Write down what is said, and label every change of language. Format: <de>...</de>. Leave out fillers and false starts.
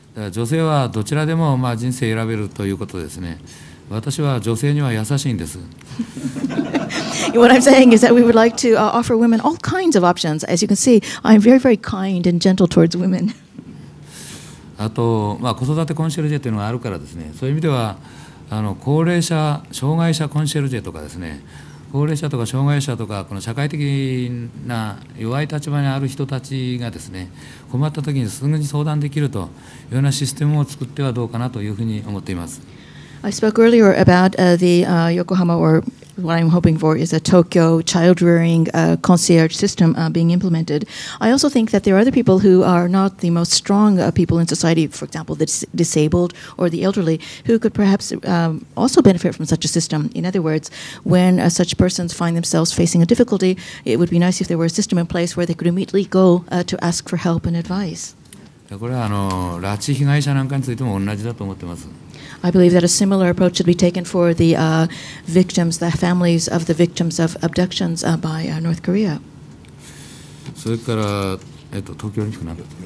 <ja>女性はどちらでもまあ人生選べるということですね。私は女性には優しいんです。</ja> <en>What I'm saying is that we would like to offer women all kinds of options. As you can see, I'm very, very kind and gentle towards women.</en> <ja>あと、まあ、子育てコンシェルジェというのがあるからですね。そういう意味では、あの高齢者、障害者コンシェルジェとかですね、高齢者とか障害者とか、この社会的な弱い立場にある人たちがですね、困ったときにすぐに相談できるというようなシステムを作ってはどうかなというふうに思っています。</ja> <en>I spoke earlier about the Yokohama, or what I'm hoping for is a Tokyo child-rearing concierge system being implemented. I also think that there are other people who are not the most strong people in society, for example, the disabled or the elderly, who could perhaps also benefit from such a system. In other words, when such persons find themselves facing a difficulty, it would be nice if there were a system in place where they could immediately go to ask for help and advice.</en> <ja>これはあの拉致被害者なんかについても同じだと思ってます。</ja> <en>I believe that a similar approach should be taken for the victims, the families of the victims of abductions by North Korea.</en> <ja>それから、東京オリンピックなんだ。</ja>